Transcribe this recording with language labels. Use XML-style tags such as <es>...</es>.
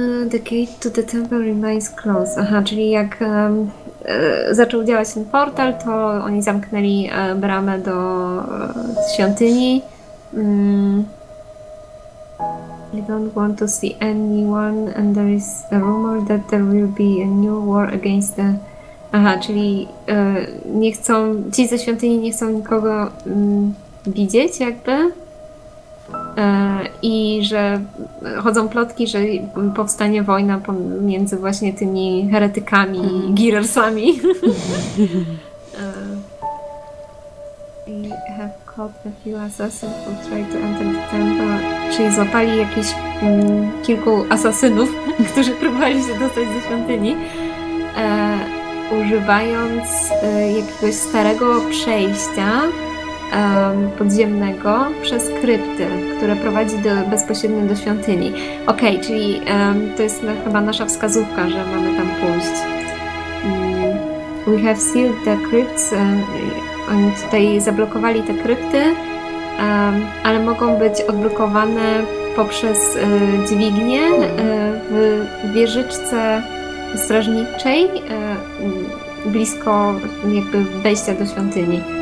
<en>The gate to the temple remains closed.</en> <pl>Aha, czyli jak zaczął działać ten portal, to oni zamknęli bramę do świątyni.</pl> <en>I don't want to see anyone, and there is a rumor that there will be a new war against the.</en> <pl>Aha, czyli nie chcą, ci ze świątyni nie chcą nikogo widzieć jakby i że chodzą plotki, że powstanie wojna pomiędzy właśnie tymi heretykami i Gearersami.</pl> <en>We have caught a few assassins who tried to enter the temple.</en> <pl>Czyli złapali jakieś kilku asasynów, którzy próbowali się dostać ze świątyni. Używając jakiegoś starego przejścia podziemnego przez krypty, które prowadzi bezpośrednio do świątyni. Okej, okay, czyli to jest chyba nasza wskazówka, że mamy tam pójść.</pl> <en>We have sealed the crypts.</en> <pl>Oni tutaj zablokowali te krypty, ale mogą być odblokowane poprzez dźwignię w wieżyczce strażniczej blisko jakby wejścia do świątyni.</pl>